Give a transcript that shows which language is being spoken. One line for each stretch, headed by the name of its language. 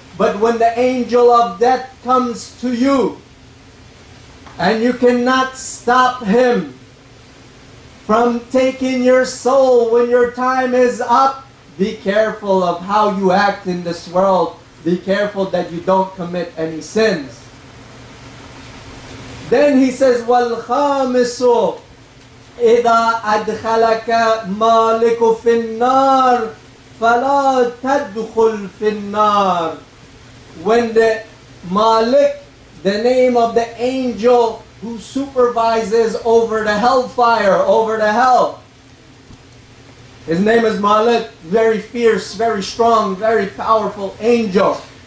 English: But when the angel of death comes to you and you cannot stop him from taking your soul when your time is up, be careful of how you act in this world. Be careful that you don't commit any sins. Then he says,
Arabic: وَالْخَامِسُ إِذَا أَدْخَلَكَ مَالِكُ فِي النَّارِ فَلَا تَدْخُلْ فِي النَّارِ.
English: When the Malik, the name of the angel who supervises over the hellfire, over the hell, his name is Malik, very fierce, very strong, very powerful angel.